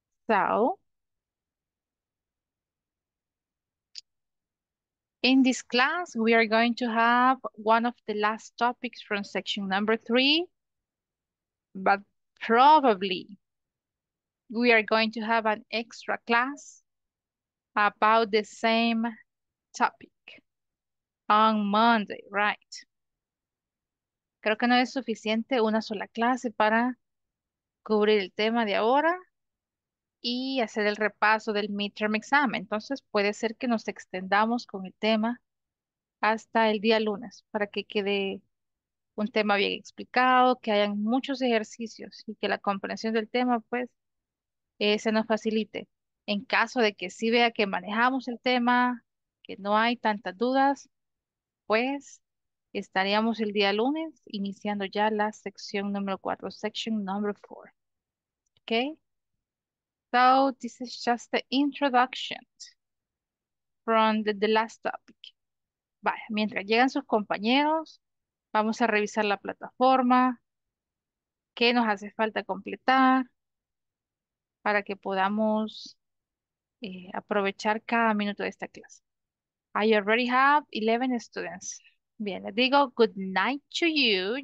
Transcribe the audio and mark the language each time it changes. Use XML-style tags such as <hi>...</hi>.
<en>So, in this class, we are going to have one of the last topics from section number three, but probably we are going to have an extra class about the same topic on Monday, right?</en> <es>Creo que no es suficiente una sola clase para cubrir el tema de ahora y hacer el repaso del midterm exam. Entonces puede ser que nos extendamos con el tema hasta el día lunes para que quede un tema bien explicado, que hayan muchos ejercicios y que la comprensión del tema, pues, se nos facilite. En caso de que sí vea que manejamos el tema, que no hay tantas dudas, pues estaríamos el día lunes iniciando ya la sección número 4,</es> <en>section number 4. Okay? So this is just the introduction from the last topic.</en> <es>Vaya, mientras llegan sus compañeros, vamos a revisar la plataforma. ¿Qué nos hace falta completar? Para que podamos aprovechar cada minuto de esta clase.</es> <en>I already have 11 students.</en> <es>Bien, les digo</es> <en>good night to you.</en>